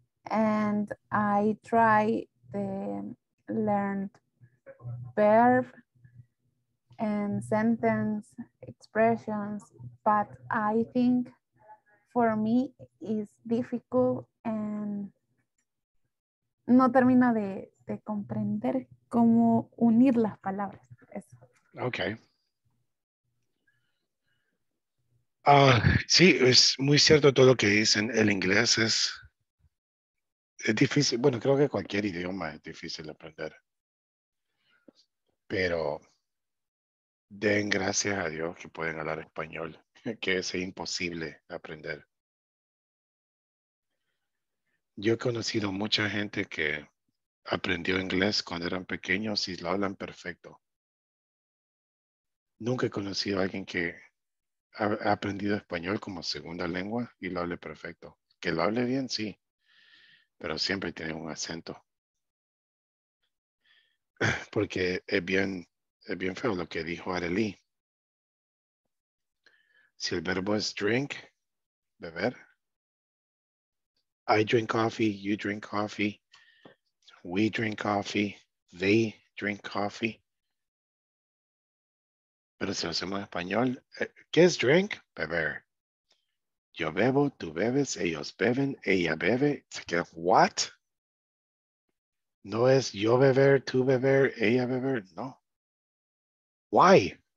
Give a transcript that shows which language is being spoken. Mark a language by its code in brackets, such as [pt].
[en] And I try the learned verb and sentence expressions, but I think for me is difficult and no termino de comprender cómo unir las palabras. [es] Eso. [en] Okay. [es] Sí, es muy cierto todo lo que dicen. El inglés es difícil. Bueno, creo que cualquier idioma es difícil aprender. Pero den gracias a Dios que pueden hablar español, que es imposible aprender. Yo he conocido mucha gente que aprendió inglés cuando eran pequeños y lo hablan perfecto. Nunca he conocido a alguien que ha aprendido español como segunda lengua y lo hable perfecto. Que lo hable bien, sí, pero siempre tiene un acento. Porque es bien feo lo que dijo Arely. Si el verbo es drink, beber. [en] I drink coffee, you drink coffee, we drink coffee, they drink coffee. [es] Pero si lo hacemos en español, ¿qué es drink? Beber. Yo bebo, tú bebes, ellos beben, ella bebe. Se queda, what? No es yo beber, tú beber, ella beber, no. Why?